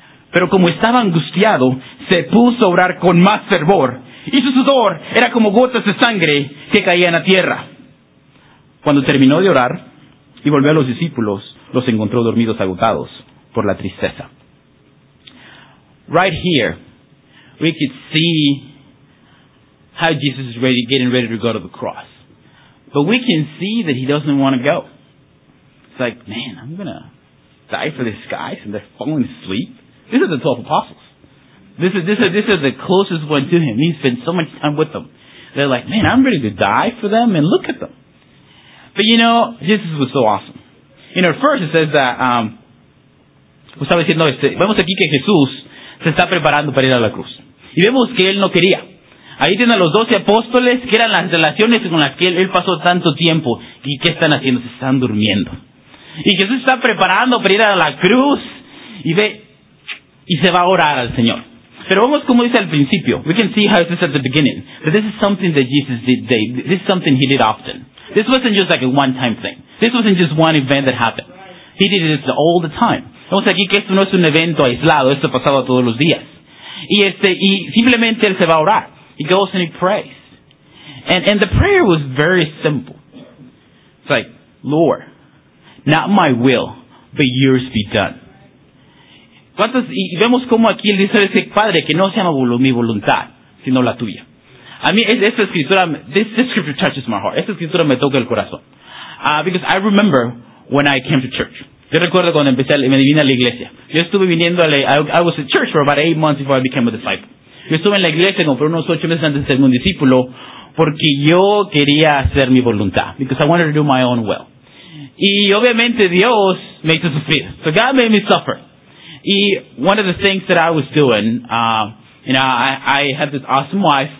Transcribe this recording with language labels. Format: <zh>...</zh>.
<es>Pero como estaba angustiado, se puso a orar con más fervor, y su sudor era como gotas de sangre que caían a tierra. Cuando terminó de orar y volvió a los discípulos, los encontró dormidos, agotados por la tristeza.</es> <en>Right here, we could see how Jesus is getting ready to go to the cross. But we can see that he doesn't want to go. It's like, man, I'm going to die for this guy, and they're falling asleep. These are the 12 apostles. This is the closest one to him. He spent so much time with them. They're like, man, I'm ready to die for them, and look at them. But Jesus was so awesome. First it says that,</en> <es>vemos aquí que Jesús se está preparando para ir a la cruz. Y vemos que él no quería. Ahí tienen a los 12 apóstoles, que eran las relaciones con las que él pasó tanto tiempo. ¿Y qué están haciendo? Se están durmiendo. Y Jesús está preparando para ir a la cruz y ve y se va a orar al Señor. Pero vamos como dice al principio.</es> <en>We can see how it says at the beginning. But this is something that Jesus did. This is something he did often. This wasn't just like a one-time thing. This wasn't just one event that happened. He did it all the time.</en> <es>Vamos aquí que esto no es un evento aislado. Esto pasaba todos los días. Y simplemente él se va a orar.</es> <en>He goes and he prays. And the prayer was very simple. It's like, Lord, not my will, but yours be done.</en> <es>Y vemos cómo aquí él dice, Padre, que no sea mi voluntad, sino la tuya. A mí, esta escritura,</es> <en>this scripture touches my heart.</en> <es>Esta escritura me toca el corazón.</es> <en>Because I remember when I came to church.</en> <es>Yo recuerdo cuando me vine a la iglesia. Yo estuve viniendo</es> <en>I was at church for about 8 months before I became a disciple.</en> <es>Yo estuve en la iglesia como por unos 8 meses antes de ser un discípulo porque yo quería hacer mi voluntad.</es> <en>Because I wanted to do my own will.</en> <es>Y obviamente Dios me hizo sufrir.</es> <en>So God made me suffer. Y one of the things that I was doing, I had this awesome wife.</en>